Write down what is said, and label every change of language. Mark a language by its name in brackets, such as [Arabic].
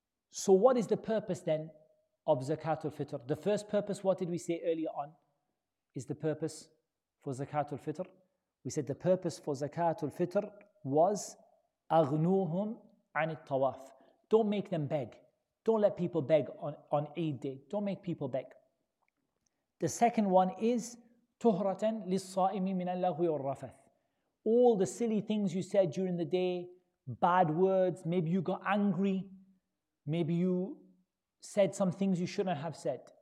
[English] So what is the purpose then of zakatul fitr? The first purpose, what did we say earlier on? Is the purpose for zakatul fitr? We said the purpose for zakatul fitr was [Arabic] أغنوهم عن الطواف. [English] Don't make them beg. Don't let people beg on Eid day. Don't make people beg. The second one is [Arabic] تهرةً للصائم من اللغو والرفث. [English] All the silly things you said during the day, bad words, maybe you got angry, maybe you said some things you shouldn't have said.